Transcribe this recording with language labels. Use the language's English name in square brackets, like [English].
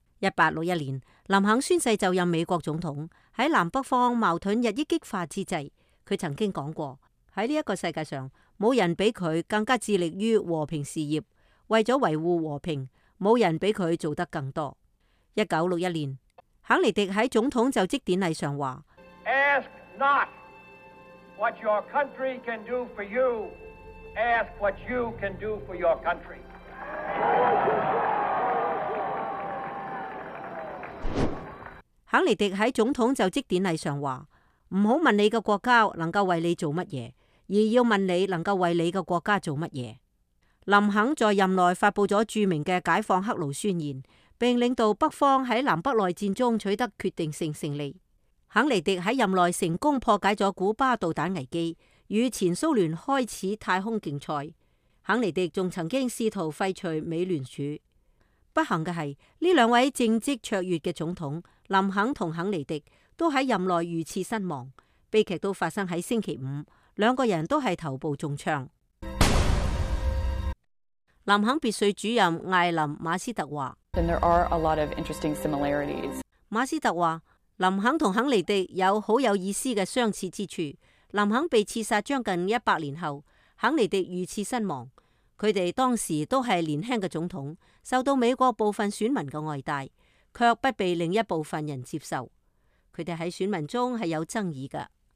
[Chinese] 1861年，林肯宣誓就任美国总统，在南北方矛盾日益激化之际，他曾经讲过，在这个世界上，没有人比他更加致力于和平事业，为了维护和平，没有人比他做得更多。 1961年，肯尼迪在总统就职典礼上说， [English] Ask not what your country can do for you, ask what you can do for your country. [Chinese] 肯尼迪在总统就职典礼上说，不要问你的国家能够为你做什么，而要问你能够为你的国家做什么。林肯在任内发布了著名的解放黑奴宣言，并领导北方在南北内战中取得决定性胜利。肯尼迪在任内成功破解了古巴导弹危机，与前苏联开始太空竞赛。肯尼迪还曾经试图废除美联储。不幸的是，这两位政绩卓越的总统林肯和肯尼迪都在任内遇刺身亡，悲剧都发生在星期五，两个人都是头部中枪。林肯别墅主任艾琳·马斯特说， [English] Then there are a lot of interesting similarities. [Chinese] 马斯特说，林肯和肯尼迪有很有意思的相似之处。林肯被刺杀将近100年后，肯尼迪遇刺身亡，他们当时都是年轻的总统，受到美国部分选民的爱戴，却不被另一部分人接受，他们在选民中是有争议的。